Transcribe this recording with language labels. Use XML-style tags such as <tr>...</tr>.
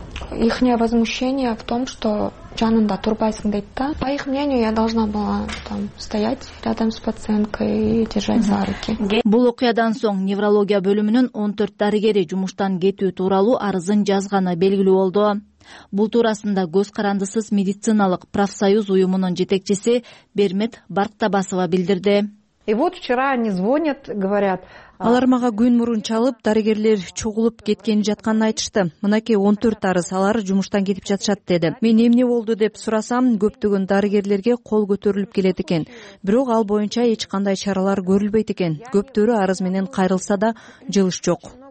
<ru>Ихнее возмущение в том, что</ru> <ky>жанында турбайсың дейт та.</ky> <ru>По их мнению, я должна была там стоять рядом с пациенткой и держать за руки.</ru> <ky>Бул окуядан соң неврология бөлүмүнүн 14 дарыгери жумуштан кетүү тууралуу арызын жазганы белгилүү болду. Бул туурасында көз карандысыз медициналык профсоюз уюмунун жетекчиси Бермет Барктабасова билдирди.</ky> <ru>И вот вчера они звонят, говорят.</ru> <ky>Алар мага күн мурун чалып, дарыгерлер чогулуп кеткени жатканын айтышты. Мынакей 14 арыз, алар жумуштан кетип жатышат деди. Мен эмне болду деп сурасам, көптөгөн дарыгерлерге кол көтөрүлүп келет экен. Бирок ал боюнча эч кандай чаралар көрүлбөйт экен. Көптөрү арыз менен кайрылса да, жылыш жок.</ky>